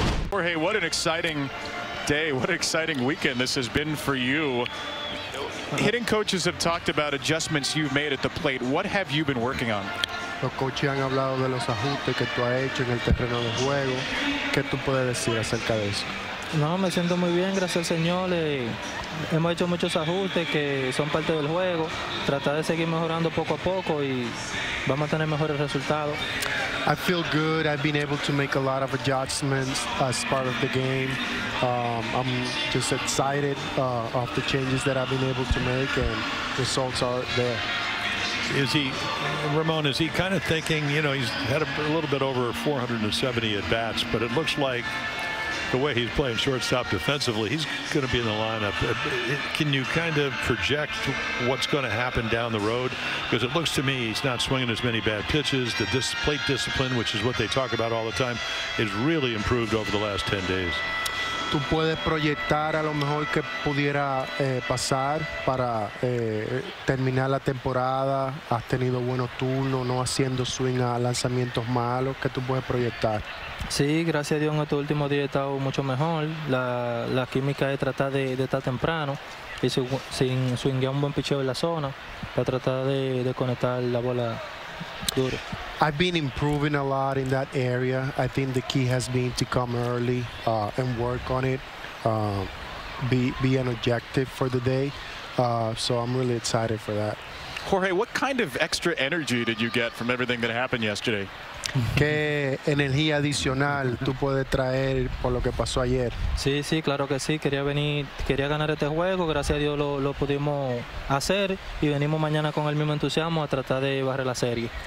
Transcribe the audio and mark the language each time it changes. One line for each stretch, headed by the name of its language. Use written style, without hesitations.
English: Jorge, what an exciting day, what an exciting weekend this has been for you. Hitting coaches have talked about adjustments you've made at the plate. What have you been working on?
Spanish: Los coaches han hablado de los ajustes que tú has hecho en el terreno de juego. ¿Qué tú puedes decir acerca de eso? No, me siento muy bien, gracias al Señor. Hemos hecho muchos ajustes que son parte del juego. Tratar de seguir mejorando poco a poco y vamos a tener mejores resultados.
English: I feel good. I've been able to make a lot of adjustments as part of the game. I'm just excited of the changes that I've been able to make, and results are there. Is he, Ramon, is he kind of thinking, you know, he's had a little bit over 470 at-bats, but it looks like the way he's playing shortstop defensively, he's going to be in the lineup. Can you kind of project what's going to happen down the road? Because it looks to me he's not swinging as many bad pitches. The plate discipline, which is what they talk about all the time, has really improved over the last 10 days.
Spanish: Tú puedes proyectar a lo mejor que pudiera pasar para terminar la temporada. Has tenido buenos turnos, no haciendo swing a lanzamientos malos. ¿Qué tú puedes proyectar? Sí, gracias a Dios en estos últimos días he estado mucho mejor. La química es tratar de estar temprano y sin swingar un buen picheo en la zona para tratar de conectar la bola duro.
English: I've been improving a lot in that area. I think the key has been to come early and work on it, be an objective for the day. So I'm really excited for that. Jorge, what kind of extra energy did you get from everything that happened yesterday?
Spanish: ¿Qué energía adicional tú puedes traer por lo que pasó ayer? Sí, sí, claro que sí. Quería venir, quería ganar este juego. Gracias a Dios lo pudimos hacer. Y venimos mañana con el mismo entusiasmo a tratar de barrer la serie.